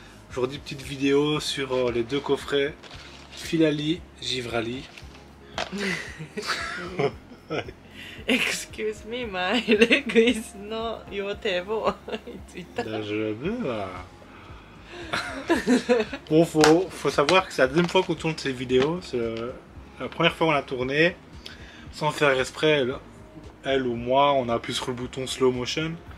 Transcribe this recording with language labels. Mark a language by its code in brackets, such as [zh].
[fr] Aujourd'hui petite vidéo sur les deux coffrets Filali, Givrali. [en] Excuse me, my leg is not your table. [fr] Là je le veux là. Bon faut savoir que c'est la deuxième fois qu'on tourne ces vidéos. C'est la première fois qu'on a tourné. Sans faire exprès, elle ou moi, on a appuyé sur le bouton slow motion.